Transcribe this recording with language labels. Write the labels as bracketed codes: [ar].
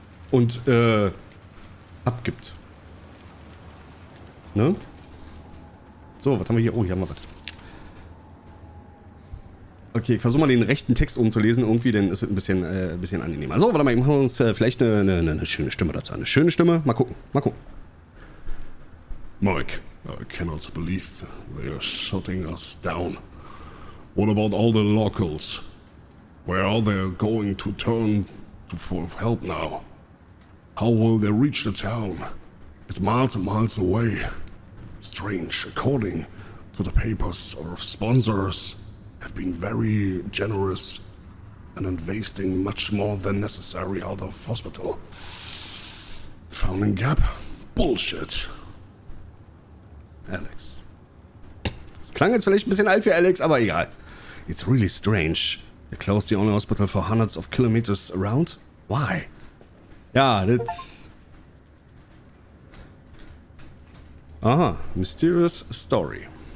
[de] Und, abgibt. Ne? So, was haben wir hier? Oh, hier haben wir was. Okay, ich versuche mal den rechten Text oben zu lesen. Irgendwie, denn ist es ein bisschen angenehmer. So, warte mal, wir machen uns vielleicht eine schöne Stimme dazu. Eine schöne Stimme. Mal gucken, mal gucken. [en] Mike, I cannot believe they are shutting us down. What about all the locals? Where are they going to turn for help now? How will they reach the town? It's miles and miles away. Strange, according to the papers, our sponsors have been very generous and investing much more than necessary out of hospital. Founding gap? Bullshit. Alex. [de] Klang jetzt vielleicht ein bisschen alt für Alex, aber egal. [en] It's really strange. They closed the only hospital for hundreds of kilometers around. Why? Ja, das... Aha, Mysterious Story.